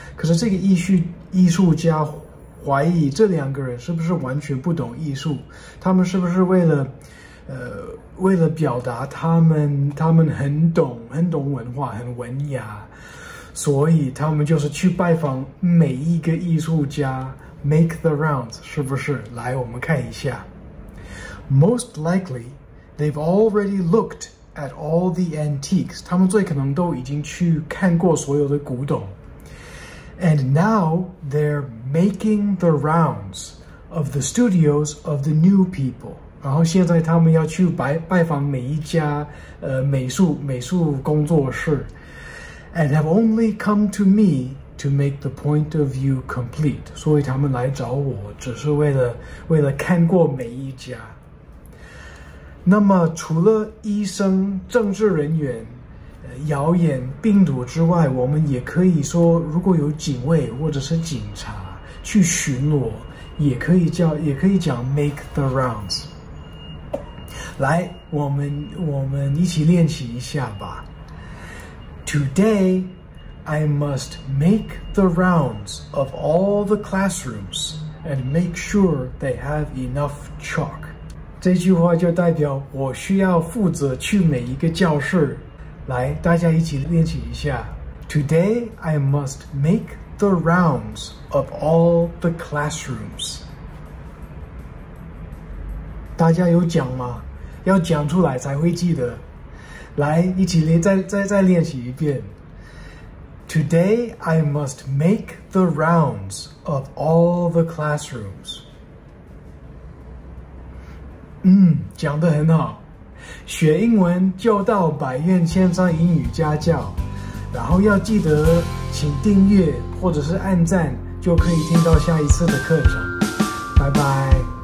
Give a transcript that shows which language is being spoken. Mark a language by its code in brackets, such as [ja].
[zh] 可是这个艺术家怀疑这两个人是不是完全不懂艺术，他们是不是为了表达他们很懂文化，很文雅，所以他们就是去拜访每一个艺术家。 [en] Make the rounds [zh] 是不是？来，我们看一下。 [en] Most likely, they've already looked at all the antiques. [zh] 他们最可能都已经去看过所有的古董。 [en] And now they're making the rounds of the studios of the new people. [zh] 然后现在他们要去拜访每一家美术工作室。 [en] And have only come to me to make the point of view complete. [zh] 所以他们来找我只是为了看过每一家。那么除了医生、政治人员、谣言、病毒之外，我们也可以说如果有警卫或者是警察去巡逻，也可以讲 [en] make the rounds。 [zh] 来，我们一起练习一下吧。 [en] Today I must make the rounds of all the classrooms and make sure they have enough chalk。 [zh] 这句话就代表我需要负责去每一个教室。来，大家一起练习一下。 [en] Today, I must make the rounds of all the classrooms. [zh] 大家有讲吗？要讲出来才会记得。来，一起练，再练习一遍。 [en] Today, I must make the rounds of all the classrooms. [zh] 讲得很好。学英文就到百院千山英语家教，然后要记得请订阅或者是按赞，就可以听到下一次的课程。拜拜。